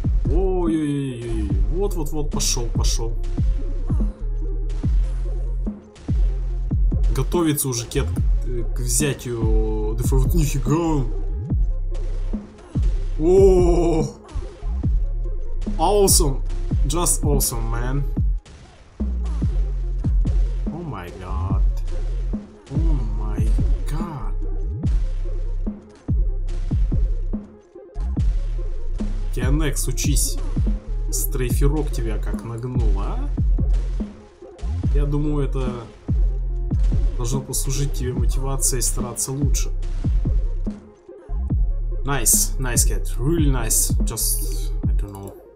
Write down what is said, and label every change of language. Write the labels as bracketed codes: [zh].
[ru] Ой-ой-ой-ой, вот-вот-вот, пошел. Готовится уже кет к взятию дефа. Вот нифига. О, [en] awesome, just awesome, man. Oh my god. Oh my god. [ru] Кианекс, учись. Стрейферок тебя как нагнул, а? Я думаю, это должно послужить тебе мотивацией стараться лучше. [en] Nice, nice cat, really nice, just, I don't know.